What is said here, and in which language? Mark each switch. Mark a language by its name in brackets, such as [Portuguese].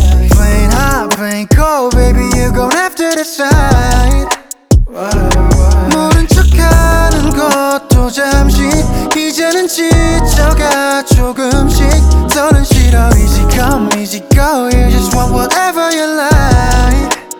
[English] Plain hot, plain cold, baby, you gon' have to decide. [Korean] 모른 척하는 것도 잠시, 이제는 지쳐가 조금씩. 너는 싫어, [English] easy come, easy go. You just want whatever you like.